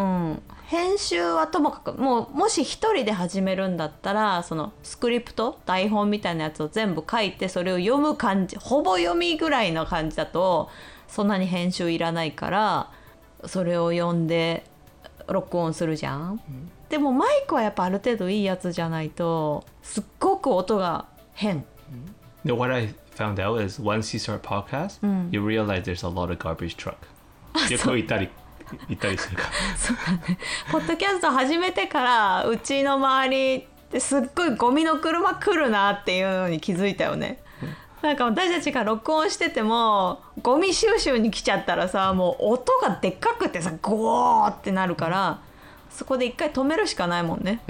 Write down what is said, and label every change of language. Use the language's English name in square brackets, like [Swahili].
[Japanese] うん、編集はともかく もし一人で始めるんだったらそのスクリプト台本みたいなやつを全部書いてそれを読む感じ、ほぼ読みぐらいの感じだとそんなに編集いらないからそれを読んで録音するじゃん、うん、でもマイクはやっぱある程度いいやつじゃないとすっごく音が変。 [English] Now, what I found out is once you start podcast、うん、you realize there's a lot of garbage truck。 [Japanese] よく行ったりするから。そうだね、ポッドキャスト始めてからうちの周りですっごいゴミの車来るなっていうのに気づいたよね。なんか私たちが録音しててもゴミ収集に来ちゃったらさ、もう音がでっかくてさゴーってなるから、うん、そこで一回止めるしかないもんね。